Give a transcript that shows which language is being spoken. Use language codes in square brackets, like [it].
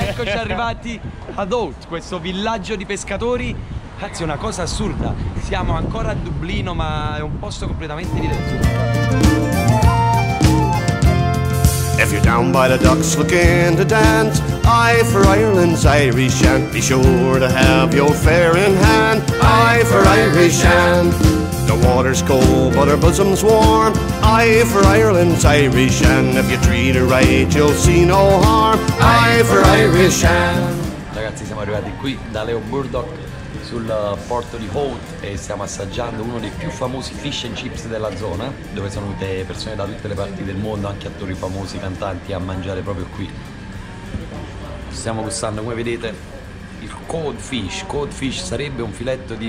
[it] Arrivati ad Hot, questo villaggio di pescatori. Ragazzi, una cosa assurda, siamo ancora a Dublino ma è un posto completamente diverso. [en] If you're down by the docks looking to dance, I for Ireland's Irish Anne, be sure to have your fare in hand. I for Irish Anne. The water's cold but her bosom's warm. I for Ireland's Irish Anne. If you treat her right you'll see no harm. I for Irish Anne. [it] Ragazzi, siamo arrivati qui da Leo Burdock sul porto di Hot e stiamo assaggiando uno dei più famosi fish and chips della zona, dove sono venute persone da tutte le parti del mondo, anche attori famosi, cantanti, a mangiare proprio qui. Stiamo gustando, come vedete, il cod fish. Cod fish sarebbe un filetto di